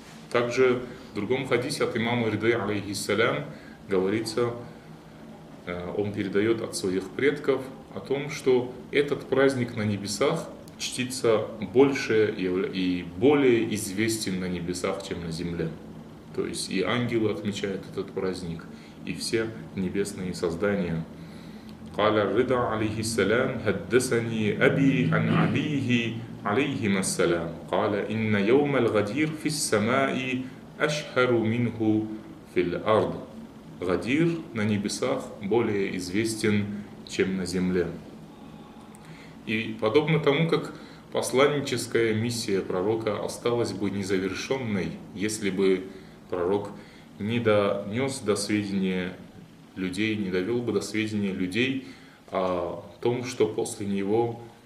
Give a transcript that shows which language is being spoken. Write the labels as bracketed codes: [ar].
[ru] Также в другом хадисе от имама Риды, алейхиссалям, говорится, он передает от своих предков о том, что этот праздник на небесах чтится больше и более известен на небесах, чем на земле. То есть и ангелы отмечают этот праздник, и все небесные создания. [ar] «Каля Рида, алейхиссалям, хаддасани аби ан абиихи عليهما السلام قال إن يوم الغدير في السماء أشهر منه في الأرض. [ru] غدير на небесах более известен, чем на земле. И подобно тому, как посланническая миссия пророка осталась бы незавершенной, если бы пророк не донес до сведения людей, не довел бы до сведения людей о том, что после него